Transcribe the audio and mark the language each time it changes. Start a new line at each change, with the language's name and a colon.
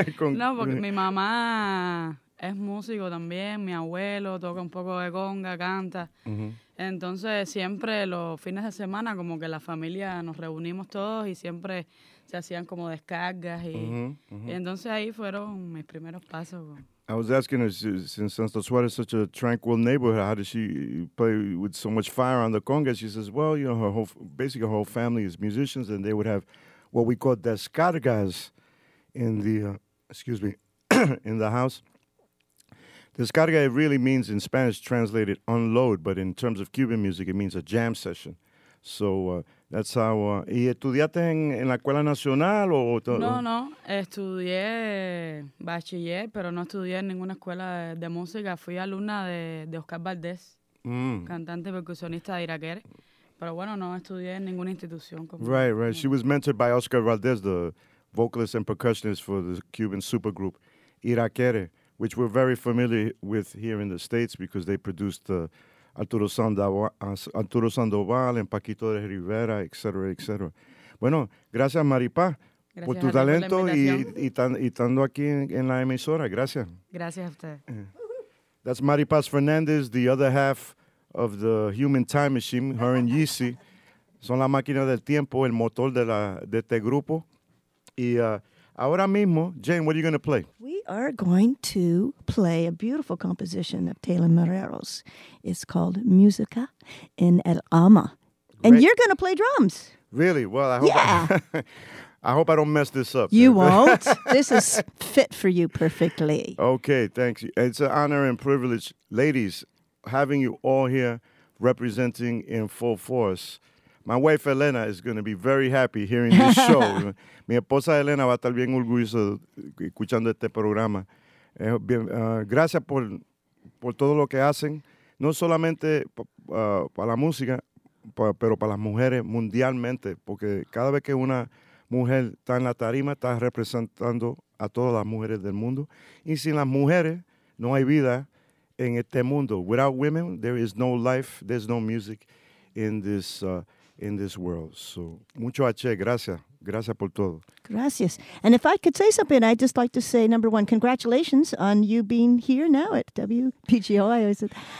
Spanish: No, porque mi mamá es músico también, mi abuelo toca un poco de conga, canta. Entonces siempre los fines de semana como que la familia nos reunimos todos y siempre se hacían como descargas y, y entonces ahí fueron mis primeros pasos.
English: I was asking her, since Santo Suárez is such a tranquil neighborhood, how does she play with so much fire on the conga? She says, well, you know, her whole family is musicians, and they would have what we call descargas in the, in the house. Descarga, it really means in Spanish, translated unload, but in terms of Cuban music, it means a jam session. So that's how...
Spanish: ¿Y estudiaste en la Escuela Nacional? No, estudié bachiller, pero no estudié en ninguna escuela de música. Fui alumna de Oscar Valdés, cantante percusionista de Iraquere. Pero bueno, no estudié en ninguna institución.
English: Right. She was mentored by Oscar Valdés, the vocalist and percussionist for the Cuban supergroup Iraquere, which we're very familiar with here in the States because they produced the...
Spanish: Arturo Sandoval, en Paquito de Rivera, et cetera, et cetera. Bueno, gracias, Maripaz, por tu talento y estando aquí en la emisora. Gracias. Gracias a usted.
English: That's Maripaz Fernández, the other half of the human time machine, her and Yeezy.
Spanish: Son la máquina del tiempo, el motor de este grupo. Y ahora mismo,
English: Jane, what are you going to play? Are going to play a beautiful composition of Taylor Morero's. It's called Musica en el Alma. And you're going to play drums. Really? Well, I hope I don't mess this up. You won't. This is fit for you perfectly. Okay, thanks. It's an honor and privilege, ladies, having you all here representing in full force. My wife, Elena, is going to be very happy hearing this show.
Spanish: Mi esposa Elena va a estar bien orgullosa escuchando este programa. Gracias por todo lo que hacen, no solamente para la música, pero para las mujeres mundialmente, porque cada vez que una mujer está en la tarima, está representando a todas las mujeres del mundo. Y sin las mujeres, no hay vida en este mundo.
English: Without women, there is no life, there's no music in this world. So,
Spanish: mucho H, gracias. Gracias por todo. Gracias.
English: And if I could say something, I'd just like to say, number one, congratulations on you being here now at WPGO.